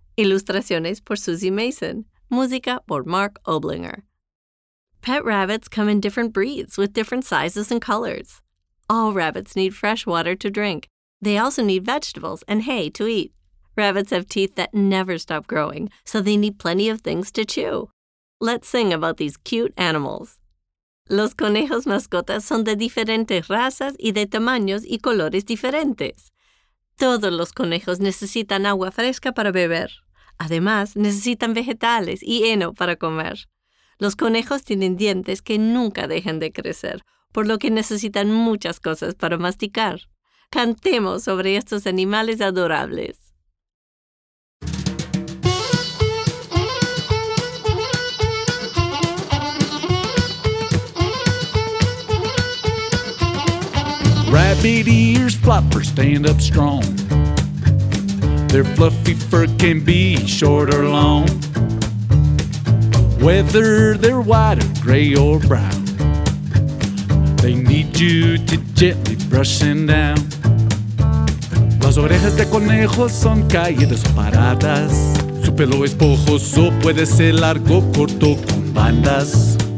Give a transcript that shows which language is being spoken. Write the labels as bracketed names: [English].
[Spanish] Ilustraciones por Susie Mason. Música por Mark Oblinger. [English] Pet rabbits come in different breeds with different sizes and colors. All rabbits need fresh water to drink. They also need vegetables and hay to eat. Rabbits have teeth that never stop growing, so they need plenty of things to chew. Let's sing about these cute animals. [Spanish] Los conejos mascotas son de diferentes razas y de tamaños y colores diferentes. Todos los conejos necesitan agua fresca para beber. Además, necesitan vegetales y heno para comer. Los conejos tienen dientes que nunca dejan de crecer, por lo que necesitan muchas cosas para masticar. Cantemos sobre estos animales adorables. [English] Rabbit ears flopper stand up strong. Their fluffy fur can be short or long. Whether they're white or gray or brown, they need you to gently brush them down. [Spanish] Las orejas de conejo son caídas o paradas. Su pelo esponjoso puede ser largo, corto con bandas.